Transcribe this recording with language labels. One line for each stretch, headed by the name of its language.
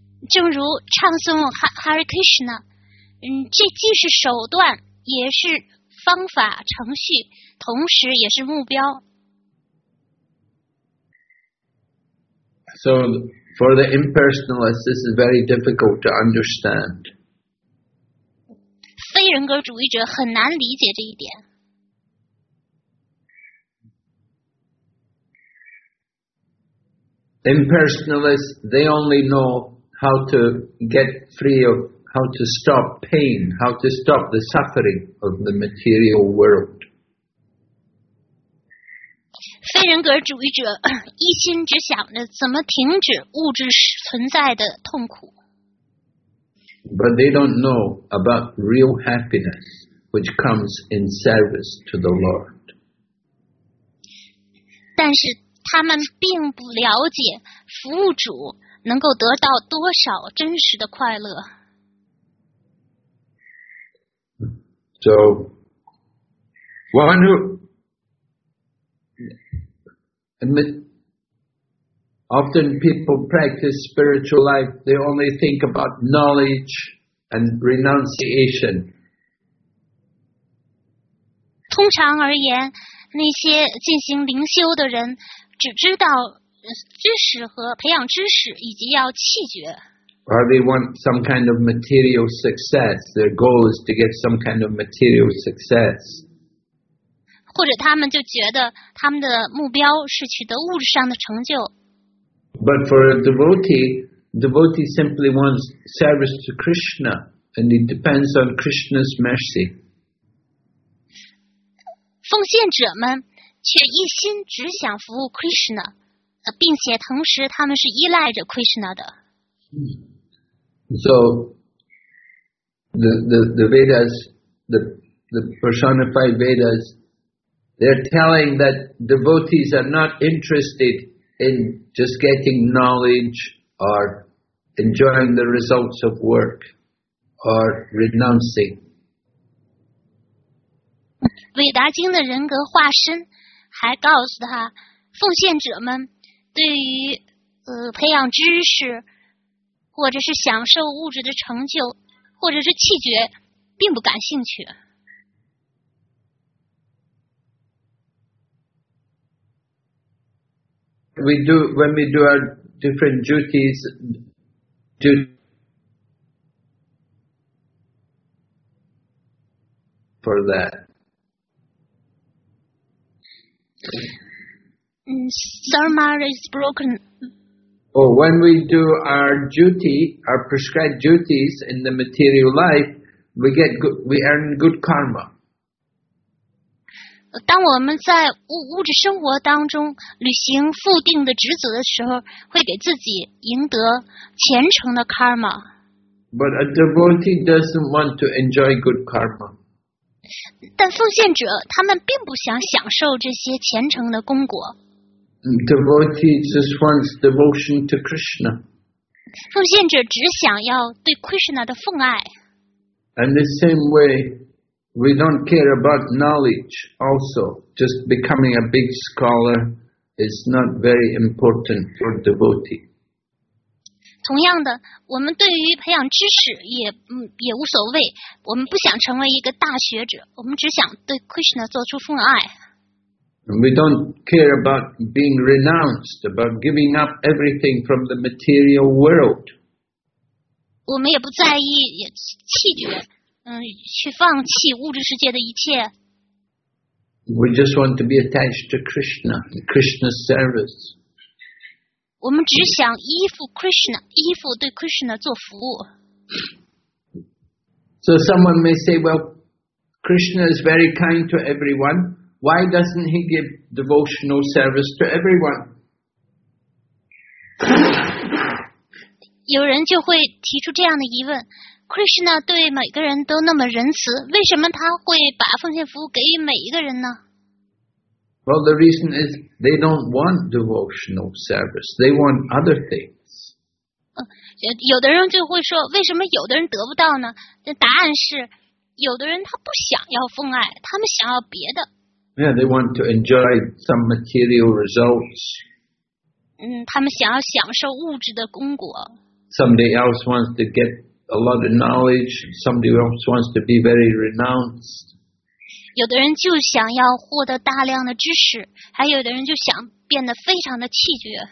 Chinese: 正如唱诵 Hare Krishna, 这既是手段，也是方法程序，同时也是目标。
English: So, for the impersonalist, this is very difficult to understand.
Chinese: 非人格主义者很难理解这一点。
English: Impersonalists, they only know how to get free of, how to stop pain, how to stop the suffering of the material world.
Chinese: 非人格主义者一心只想着怎么停止物质存在的痛苦。
English: But they don't know about real happiness, which comes in service to the Lord.
Chinese: 但是他们并不了解服务主能够得到多少真实的快乐。
English: So, one who admit, often people practice spiritual life, they only think about knowledge and renunciation.
Chinese: 通常而言，那些进行灵修的人只知道知识和培养知识以及要弃绝。
English: Or they want some kind of material success. Their goal is to get some kind of material success.
Chinese: 或者他们就觉得他们的目标是取得物质上的成就。
English: But for a devotee, devotee simply wants service to Krishna, and it depends on Krishna's mercy.
Chinese: 奉献者们却一心只想服务 Krishna, 并且同时他们是依赖着 Krishna 的。
English: So, the Vedas, the personified Vedas, they're telling that devotees are not interested in just getting knowledge or enjoying the results of work or renouncing.
Chinese: Veda 经的人格化身还告诉他，奉献者们对于培养知识或者是享受物质的成就，或者是弃绝，并不感兴趣。
English: We do when we do our different duties. For that. Dharma is broken. Oh, when we do our duty, our prescribed duties in the material life, we earn good karma.
Chinese: 当我们在物质生活当中履行固定的职责的时候，会给自己赢得虔诚的 karma.
English: But a devotee doesn't want to enjoy good karma.
Chinese: 但奉献者他们并不想享受这些虔诚的功果。
English: Devotee just wants devotion to Krishna.
Chinese: 奉献者只想要对 Krishna 的奉爱。
English: And the same way, we don't care about knowledge also. Just becoming a big scholar is not very important for devotee.
Chinese: 同样的，我们对于培养知识也无所谓。我们不想成为一个大学者，我们只想对 Krishna 做出奉爱。
English: And we don't care about being renounced, about giving up everything from the material world.
Chinese: 我们也不在意也弃绝去放弃物质世界的一切。
English: We just want to be attached to Krishna, Krishna's service.
Chinese: 我们只想依附 Krishna, 依附对 Krishna 做服务。
English: So someone may say, well, Krishna is very kind to everyone. Why doesn't he give devotional service to everyone?
Chinese: 有人就会提出这样的疑问： Krishna 对每个人都那么仁慈，为什么他会把奉献服务给予每一个人呢？
English: Well, the reason is they don't want devotional service. They want other things.
Chinese: 有的人就会说，为什么有的人得不到呢？答案是，有的人他不想要奉爱，他们想要别的。
English: Yeah, they want to enjoy some material results.
Chinese: 他们想要享受物质的功果。
English: Somebody else wants to get a lot of knowledge. Somebody else wants to be very renounced.
Chinese: 有的人就想要获得大量的知识，还有的人就想变得非常的气绝。